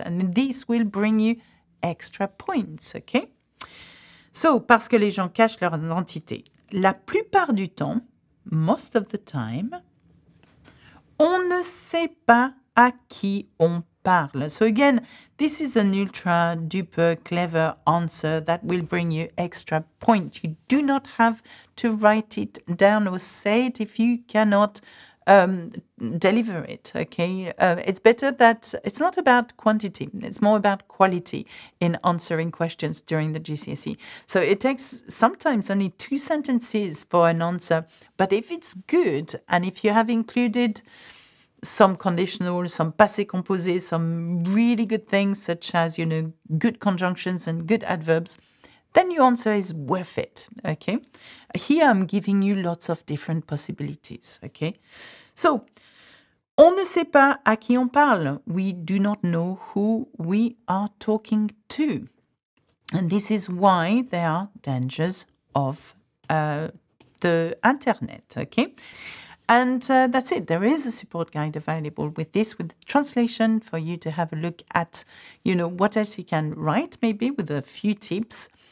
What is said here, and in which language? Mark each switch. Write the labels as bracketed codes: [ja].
[en] And this will bring you extra points, okay? [fr] So, parce que les gens cachent leur identité. La plupart du temps, [en] most of the time, [fr] on ne sait pas à qui on parle. [en] So again, this is an ultra duper clever answer that will bring you extra points. You do not have to write it down or say it if you cannot deliver it, okay? It's better that it's not about quantity, it's more about quality in answering questions during the GCSE. So it takes sometimes only two sentences for an answer, but if it's good and if you have included some conditional, some passé composé, some really good things such as, you know, good conjunctions and good adverbs, then your answer is worth it, okay? Here I'm giving you lots of different possibilities, okay? [fr] So, on ne sait pas à qui on parle. [en] We do not know who we are talking to. And this is why there are dangers of the internet, okay? And that's it. There is a support guide available with this, with the translation for you to have a look at, you know, what else you can write maybe with a few tips.